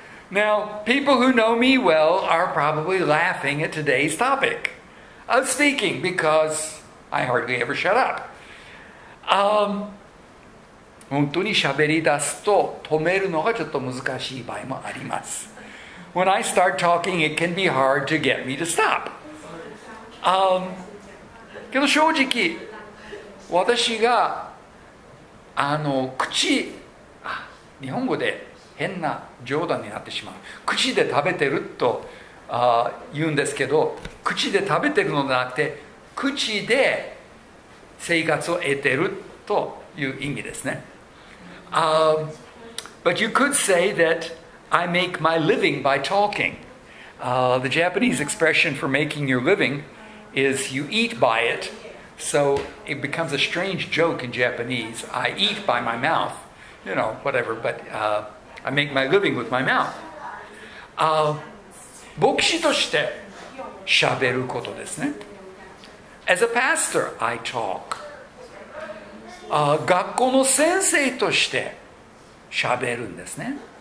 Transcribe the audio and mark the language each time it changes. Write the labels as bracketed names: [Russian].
[English] Now, people who know me well are probably laughing at today's topic of speaking because I hardly ever shut up. [Japanese] 本当に喋り出すと止めるのがちょっと難しい場合もあります。 [English] When I start talking, it can be hard to get me to stop. [Japanese] けど正直私が口、日本語で変な冗談になってしまう、口で食べてると言うんですけど、口で食べてるのではなくて口で生活を得てるという意味ですね。 [English] But you could say that I make my living by talking. The Japanese expression for making your living is you eat by it. So it becomes a strange joke in Japanese. I eat by my mouth, you know, whatever, but I make my living with my mouth. [Japanese] 牧師として喋ることですね。 [English] As a pastor, I talk. [Japanese] 学校の先生として喋るんですね。